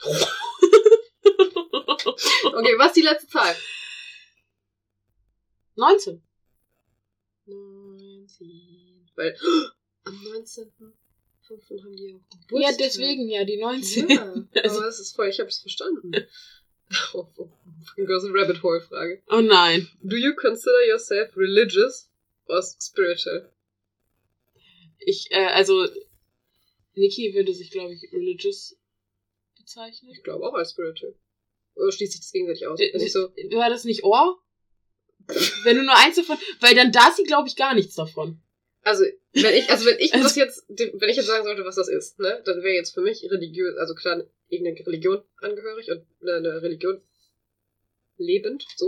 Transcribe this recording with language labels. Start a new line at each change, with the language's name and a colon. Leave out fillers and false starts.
German: Okay, was ist die letzte Zahl? 19. Weil am 19.05. haben die auch Geburtstag. Ja, deswegen, ja, die 19. Ja, aber das ist voll, ich hab's verstanden. Girls in Rabbit Hole Frage. Oh nein.
English: Do you consider yourself religious or spiritual?
German: Ich, also, Niki würde sich, glaube ich, religious bezeichnen. Ich glaube auch als spiritual. Oder schließt sich das gegenseitig aus? War das nicht Ohr? Wenn du nur eins davon, weil dann da sie, glaube ich, gar nichts davon. Wenn ich jetzt sagen sollte, was das ist, ne, dann wäre jetzt für mich religiös, also klar, irgendeine Religion angehörig und eine Religion lebend.